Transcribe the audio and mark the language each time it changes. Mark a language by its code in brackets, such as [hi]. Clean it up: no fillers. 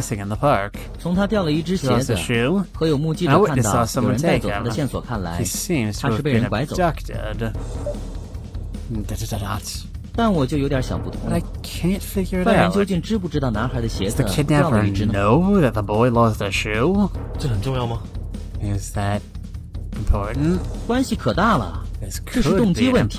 [en] Missing in the park. [zh] 从他掉了一只鞋子 [en] shoe, [zh] 和有目击者看到有人带走他的线索看来，他是被人拐走的。但我就有点想不通了， [en] I can't figure it out. [zh] 犯人究竟知不知道男孩的鞋子掉了一只呢？ [en] Does the kidnapper know that the boy lost the shoe? [zh] 这很重要吗？ [en] Is that important? [zh] 关系可大了，这是动机问题。